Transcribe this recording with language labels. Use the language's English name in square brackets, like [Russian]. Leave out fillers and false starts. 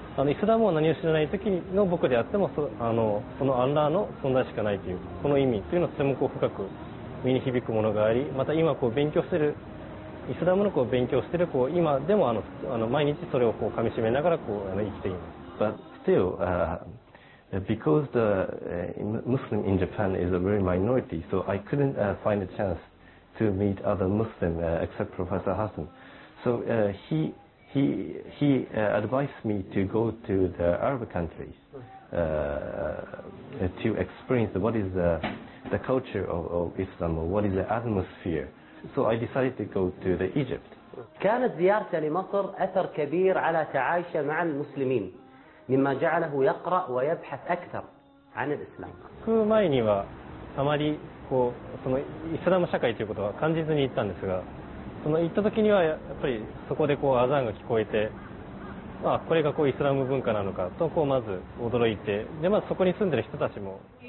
[Japanese] イスラムは何を知らない時の僕であっても そのアンラーの存在しかないというこの意味というのはとてもこう深く身に響くものがあり、また今こう勉強しているイスラムのこう勉強しているこう今でも毎日それをこう噛みしめながらこう生きています。 [English] But still, because the Muslim in Japan is a very minority, so I couldn't find a chance to meet other Muslim except Professor Hassan. So he advised me to go to the Arab countries to experience what is the culture of Islam, or what is the atmosphere. So I decided to go to the Egypt. [Arabic] كانت زيارته لمصر أثر كبير على تعايشه مع المسلمين، مما جعله يقرأ ويبحث أكثر عن الإسلام. [Japanese] 行く前にはあまりこうそのイスラム社会ということは感じずに行ったんですが、その行った時にはやっぱりそこでこうアザンが聞こえて、これがこうイスラム文化なのかとこうまず驚いて、でまずそこに住んでる人たちも。